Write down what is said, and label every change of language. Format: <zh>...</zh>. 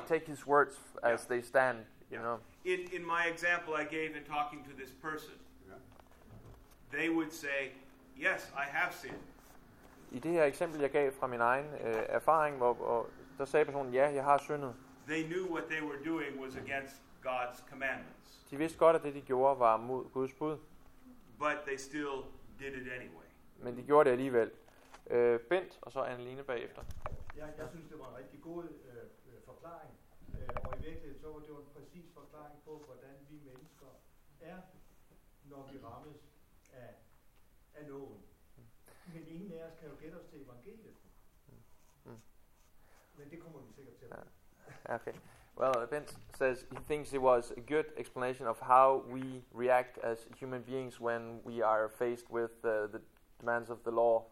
<en>Take his words as they stand, you know. In my example I gave in talking to this person, they would say, yes, I have sinned.</en> <da>I det her eksempel, jeg gav fra min egen erfaring, hvor der sagde personen, ja, jeg har syndet.</da> <en>They knew what they were doing was against God's commandments.</en> <da>De vidste godt, at det, de gjorde, var mod Guds bud.</da> <en>But they still did it anyway.</en> <da>Men de gjorde det alligevel. Bent, og så Anne-Line bagefter. Ja, jeg synes, det var en rigtig god forklaring. Og i virkeligheden, så var det en præcis forklaring på, hvordan vi mennesker er, når vi rammes af loven. Men ingen af os kan jo gætte os til evangeliet. Men det kommer vi sikkert til.</da> <en>Okay. Well, Bent says he thinks it was a good explanation of how we react as human beings when we are faced with the demands of the law.</en>